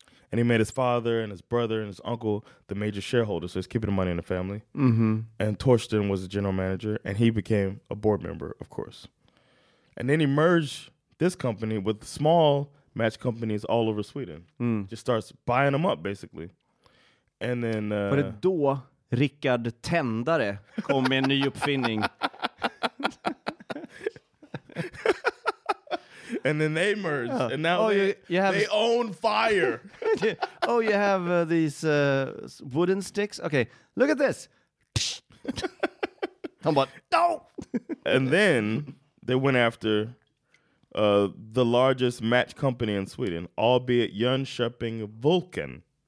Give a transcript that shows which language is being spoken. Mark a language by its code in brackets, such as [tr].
[en] And he made his father and his brother and his uncle the major shareholders, so he's keeping the money in the family. Mm-hmm. And Torsten was the general manager, and he became a board member, of course. And then he merged this company with small match companies all over Sweden. Mm. Just starts buying them up, basically. And then... [sv] Var det då Rickard Tändare kom med en ny uppfinning? [en] And then they merged, and now they own fire. oh, you have these wooden sticks? Okay, look at this. Come on. No! And then they went after the largest match company in Sweden, albeit Jönköping Vulcan.